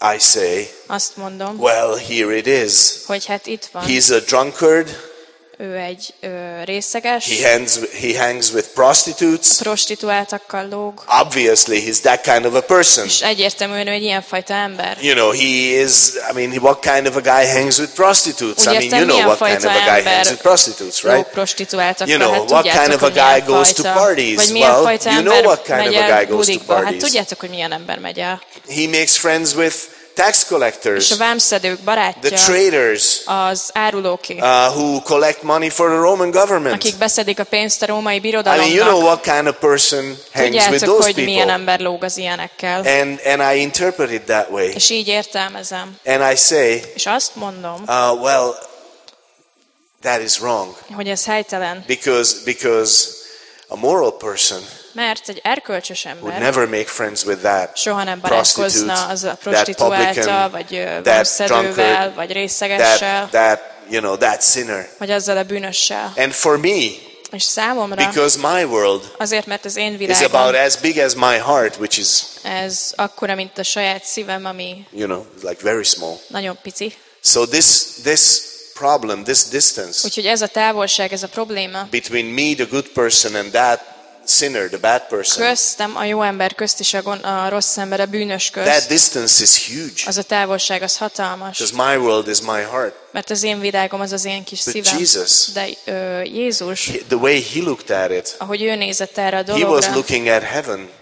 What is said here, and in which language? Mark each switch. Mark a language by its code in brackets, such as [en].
[en] I say, [hu] azt mondom, [en] well, here it is. [hu] Hogy hát itt van. [en] He's a drunkard. [hu] Ő egy részeges. [en] He hangs with prostitutes. [hu] A prostituáltakkal lóg. [en] Obviously, he's that kind of a person. [hu] És egyértelműen ő egy ilyen fajta ember. [en] You know, he is. I mean, what kind of a guy hangs with prostitutes? [hu] Úgy [en] I mean, you know what kind of a guy hangs with prostitutes, right? [hu] Prostituáltakkal. [en] You know, [hu] hát [en] what kind of a guy goes to parties? Well, you know what kind of a guy goes to parties? [hu] Hát tudjátok, hogy milyen ember megy el. [en] He makes friends with tax collectors, [hu] és a vámszedők barátja, [en] the traders, [hu] az árulóké, [en] who collect money for the Roman government, [hu] akik beszedik a pénzt a római birodalomnak. [en] I mean, you know what kind of person hangs with those people. [hu] Tudjátok, hogy milyen ember lóg az ilyenekkel. [en] And I interpret it that way. [hu] És így értelmezem. [en] And I say, [hu] és azt mondom, [en] well, that is wrong. [hu] Hogy ez helytelen. [en] Because a moral person, [hu] mert egy erkölcsös ember [en] would never make friends with that, [hu] soha nem barátkozna az a prostituálta, vagy vámszedővel, vagy részegessel, [en] you know, that sinner, [hu] vagy azzal a bűnössel. [en] And for me, [hu] és számomra, [en] because my world, [hu] azért mert az én világom [en] is about as big as my heart, which is [hu] ez akkora, mint a saját szívem, ami [en] you know, like very small. [hu] Nagyon pici. [en] So this problem, this distance. [hu] Úgyhogy ez a távolság, ez a probléma. [en] Between me, the good person, and that sinner, the bad person. [hu] Köztem a jó ember közt és a rossz ember, a bűnös közt. [en] That distance is huge. [hu] Az a távolság, az hatalmas. [en] Because my world is my heart. [hu] Mert az én világom, az az én kis [en] But [hu] szívem. [en] Jesus, [hu] de Jézus. [en] The way he looked at it. [hu] Ahogy ő nézett erre a dologra. [en] He was looking at heaven.